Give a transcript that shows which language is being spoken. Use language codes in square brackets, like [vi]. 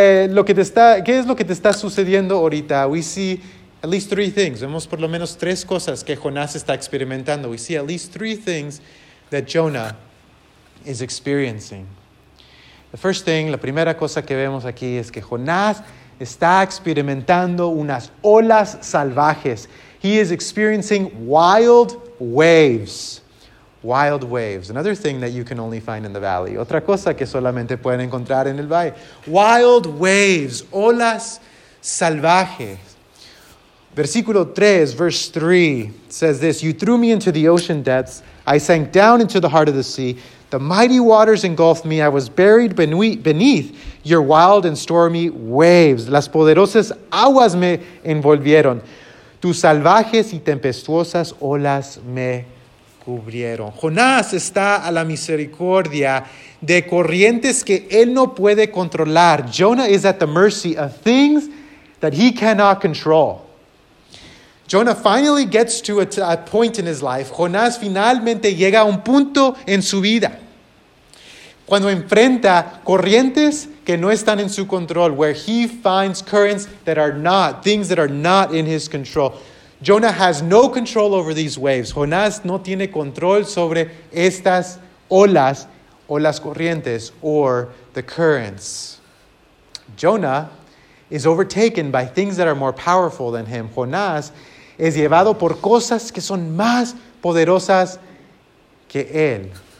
[es] Lo que te está, ¿qué es lo que te está sucediendo ahorita? [en] We see at least three things. [es] Vemos por lo menos tres cosas que Jonás está experimentando. [en] We see at least three things that Jonah is experiencing. The first thing, [es] la primera cosa que vemos aquí es que Jonás está experimentando unas olas salvajes. [en] He is experiencing wild waves. Wild waves. Another thing that you can only find in the valley. [es] Otra cosa que solamente pueden encontrar en el valle. [en] Wild waves. [es] Olas salvajes. Versículo 3, [en] verse 3 says this. You threw me into the ocean depths. I sank down into the heart of the sea. The mighty waters engulfed me. I was buried beneath your wild and stormy waves. [es] Las poderosas aguas me envolvieron. Tus salvajes y tempestuosas olas me cubrieron. Jonás está a la misericordia de corrientes que él no puede controlar. [en] Jonah is at the mercy of things that he cannot control. Jonah finally gets to a point in his life. [es] Jonás finalmente llega a un punto en su vida cuando enfrenta corrientes que no están en su control, [en] where he finds currents that are not, things that are not in his control. Jonah has no control over these waves. [es] Jonás no tiene control sobre estas olas o las corrientes [en] or the currents. Jonah is overtaken by things that are more powerful than him. [es] Jonás es llevado por cosas que son más poderosas que él.